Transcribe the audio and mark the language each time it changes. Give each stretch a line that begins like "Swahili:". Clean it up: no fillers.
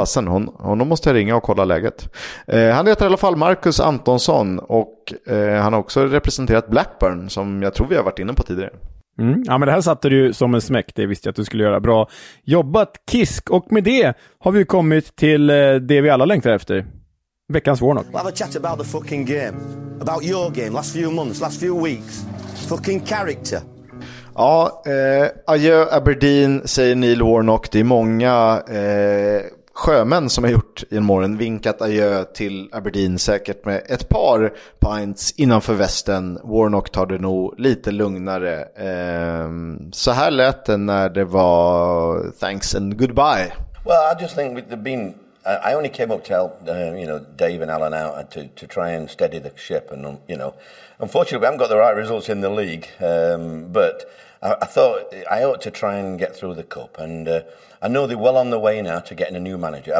Swedish: Fasen, hon måste ringa och kolla läget. Han heter i alla fall Marcus Antonsson och han har också representerat Blackburn, som jag tror vi har varit inne på tidigare. Mm. Ja, men det här satte du som en smäck, det visste jag att du skulle göra. Bra jobbat, Kisk. Och med det har vi kommit till det vi alla längtar efter. Veckans Warnock.
English: We'll have a chat about the fucking game. About your game, last few months, last few weeks. Fucking character.
Swedish: Ja, adjö Aberdeen, säger Neil Warnock. Det är många sjömän som har gjort i en morgon vinkat adjö till Aberdeen, säkert med ett par pints innanför västen. Warnock tar det nog lite lugnare. Så här lät det när det var
English: thanks and goodbye. Well, I just think with the beam, I only came up to help Dave and Alan out to try and steady the ship, and unfortunately we haven't got the right results in the league, but I thought I ought to try and get through the cup, and I know they're well on the way now to getting a new manager.